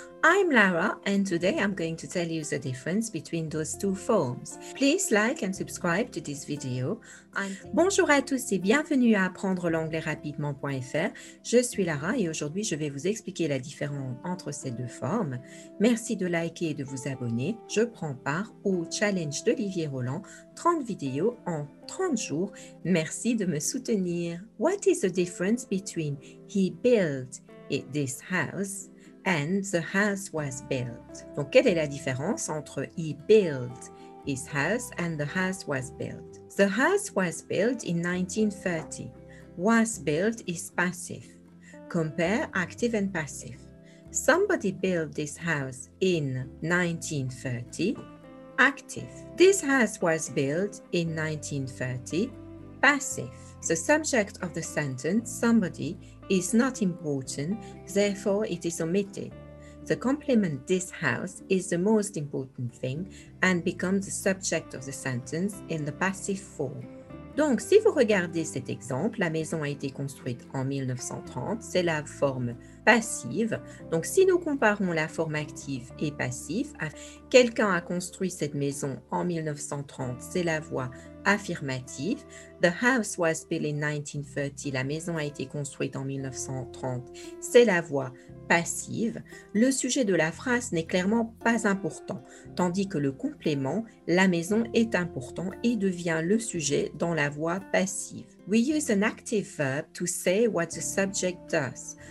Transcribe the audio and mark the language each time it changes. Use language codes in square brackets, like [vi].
[en] I'm Lara, and today I'm going to tell you the difference between those two forms. Please like and subscribe to this video. [fr] Bonjour à tous et bienvenue à apprendrelanglaisrapidement.fr. Je suis Lara et aujourd'hui je vais vous expliquer la différence entre ces deux formes. Merci de liker et de vous abonner. Je prends part au challenge d'Olivier Roland, 30 vidéos en 30 jours. Merci de me soutenir. [en] What is the difference between he built this house? And the house was built. [fr] Donc, quelle est la différence entre [en] he built his house and the house was built? The house was built in 1930. Was built is passive. Compare active and passive. Somebody built this house in 1930. Active. This house was built in 1930. Passive. The subject of the sentence, somebody, is not important, therefore it is omitted. The complement this house is the most important thing and becomes the subject of the sentence in the passive form. [fr] Donc, si vous regardez cet exemple, la maison a été construite en 1930, c'est la forme passive. Donc, si nous comparons la forme active et passive, quelqu'un a construit cette maison en 1930, c'est la voix affirmative. [en] The house was built in 1930, [fr] la maison a été construite en 1930, c'est la voix passive. Le sujet de la phrase n'est clairement pas important, tandis que le complément, la maison, est important et devient le sujet dans la voix passive. [en] We use an active verb to say what the subject does.